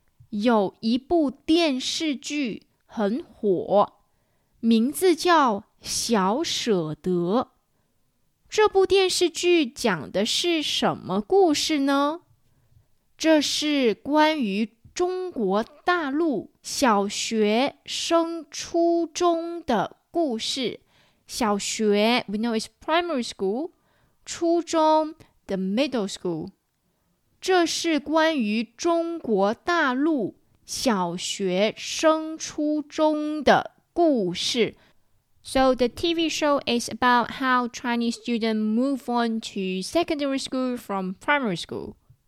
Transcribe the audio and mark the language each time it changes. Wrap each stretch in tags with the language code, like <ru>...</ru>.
<zh>有一部电视剧很火，名字叫《小舍得》。这部电视剧讲的是什么故事呢？这是关于中国大陆小学升初中的故事。</zh> <en>小学 we know it's primary school, 初中 the middle school。</en> <zh>这是关于中国大陆小学升初中的故事。</zh> <en>So the TV show is about how Chinese students move on to secondary school from primary school。</en>